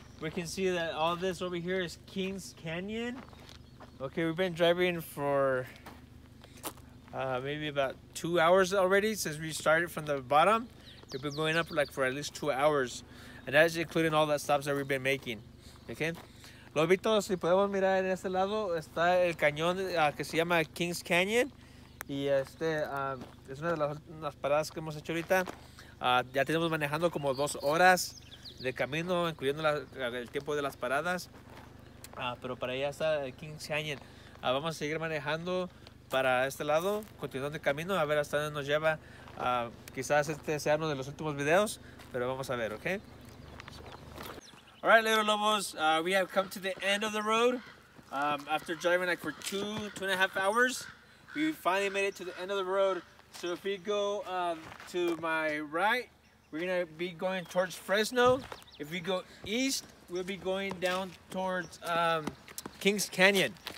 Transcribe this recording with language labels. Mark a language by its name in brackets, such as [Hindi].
[English] We can see that all this over here is Kings Canyon. Okay, we've been driving for maybe about 2 hours already since we started from the bottom. We've been going up like for at least 2 hours, and that's including all the stops that we've been making. [Spanish] Okay, lobitos, si podemos mirar en este lado, está el cañón que se llama Kings Canyon. Y es una de las paradas que hemos hecho ahorita. Ya tenemos manejando como 2 horas de camino, incluyendo el tiempo de las paradas. Pero para allá está el Kings Canyon. Vamos a seguir manejando para este lado, continuando el camino, a ver hasta dónde nos lleva. Quizás este sea uno de los últimos videos, pero vamos a ver, ¿ok? [English] All right, little lobos, we have come to the end of the road. After driving like for two and a half hours, we finally made it to the end of the road. So if we go to my right, we're gonna be going towards Fresno. If we go east, we'll be going down towards Kings Canyon.